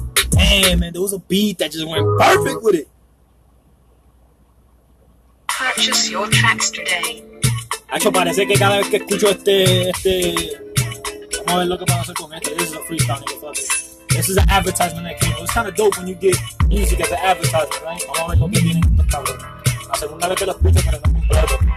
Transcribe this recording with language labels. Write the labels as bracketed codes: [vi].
[en] Damn, man, there was a beat that just went perfect with it. Purchase your tracks today. [es] Acho, parece que cada vez que escucho este... Vamos a ver lo que vamos a hacer con este. [en] This is a freestyle, nigga, fuck it. This is an advertisement that came. It's kind of dope when you get music as an advertisement, right? [es] Vamos a ver lo que viene. La segunda vez que lo escucho, pero no es un brother.